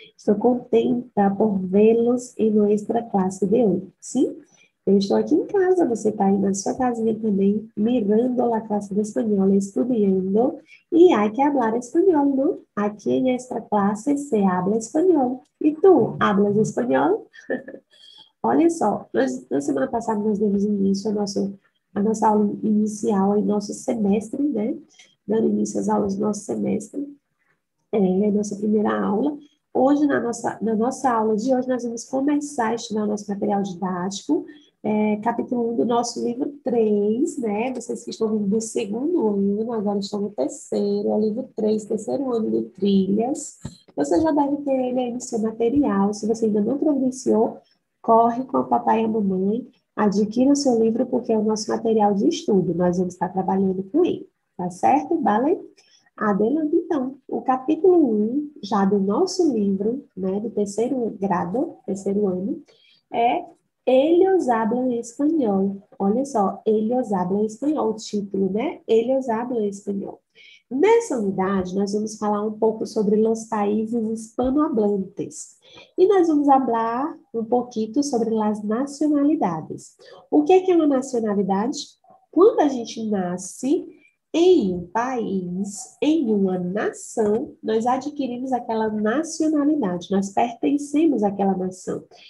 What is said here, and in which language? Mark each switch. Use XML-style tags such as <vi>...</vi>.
<es>Estoy contenta por verlos en nuestra clase de hoy, ¿sí? Yo estoy aquí en casa, usted está en su casa también, mirando la clase de español, estudiando. Y hay que hablar español, ¿no? Aquí en nuestra clase se habla español. ¿Y tú, hablas español?</es> <pt>Olha só, na semana passada nós demos início a nossa aula inicial, ao nosso semestre, né? Dando início às aulas do nosso semestre, nossa primeira aula. Hoje, na nossa aula de hoje, nós vamos começar a estudar o nosso material didático, capítulo 1 do nosso livro 3, né? Vocês que estão vindo do segundo ano, agora estão no terceiro, é o livro 3, terceiro ano de Trilhas. Você já deve ter ele aí no seu material, se você ainda não providenciou. Corre com o papai e a mamãe, adquira o seu livro, porque é o nosso material de estudo. Nós vamos estar trabalhando com ele. Tá certo, Bale? Adelante, então. O capítulo 1, já do nosso livro, né, do terceiro grado, terceiro ano, é Ellos hablan español. Olha só, Ellos hablan español, o título, né?</pt> <es>Ellos hablan español.</es> <pt>Nessa unidade, nós vamos falar um pouco sobre</pt> <es>los países hispanohablantes.</es> <pt>E nós vamos falar um pouquinho sobre as nacionalidades. O que é uma nacionalidade? Quando a gente nasce em um país, em uma nação, nós adquirimos aquela nacionalidade, nós pertencemos àquela nação.</pt>